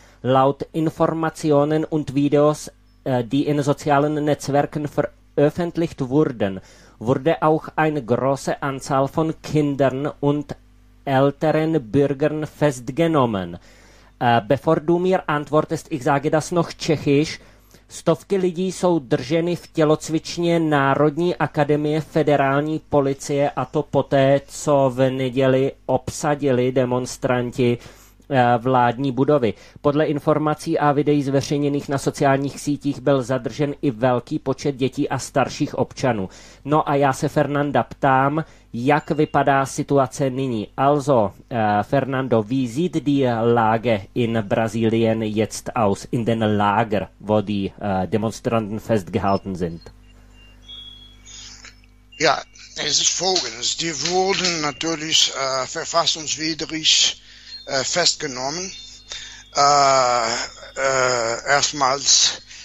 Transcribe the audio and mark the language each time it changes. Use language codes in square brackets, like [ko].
[de] Laut Informationen und Videos, die in sozialen Netzwerken veröffentlicht wurden, wurde auch eine große Anzahl von Kindern und älteren Bürgern festgenommen. Bevor du mir antwortest, ich sage das noch tschechisch. [cs] Stovky lidí jsou drženy v tělocvičně Národní akademie federální policie a to poté, co v neděli obsadili demonstranti vládní budovy. Podle informací a videí zveřejněných na sociálních sítích byl zadržen i velký počet dětí a starších občanů. No a já se Fernanda ptám, jak vypadá situace nyní. [de] Also, Fernando, wie sieht die Lage in Brasilien jetzt aus, in den Lager, wo die Demonstranten festgehalten sind? Ja, es ist folgendes. Die wurden natürlich verfassungswidrig festgenommen, erstmals